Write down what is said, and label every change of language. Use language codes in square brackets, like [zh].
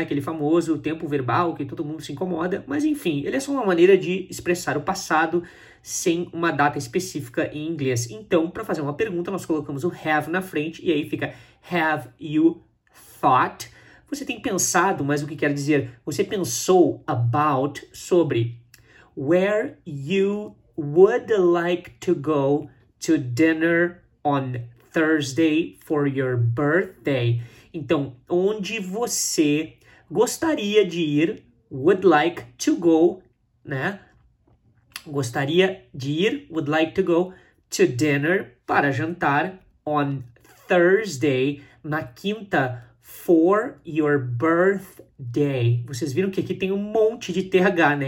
[pt] Aquele famoso tempo verbal que todo mundo se incomoda. Mas enfim, ele é só uma maneira de expressar o passado sem uma data específica em inglês. Então, para fazer uma pergunta, nós colocamos o have na frente e aí fica [en] have you thought? [pt] Você tem pensado, mas o que quer dizer? Você pensou [en] about, [pt] sobre [en] where you would like to go to dinner on Thursday for your birthday. [pt] Então, onde você gostaria de ir, [en] would like to go, [pt] né? Gostaria de ir, [en] would like to go to dinner, [pt] para jantar, [en] on Thursday, [pt] na quinta, [en] for your birthday. [pt] Vocês viram que aqui tem um monte de TH, né?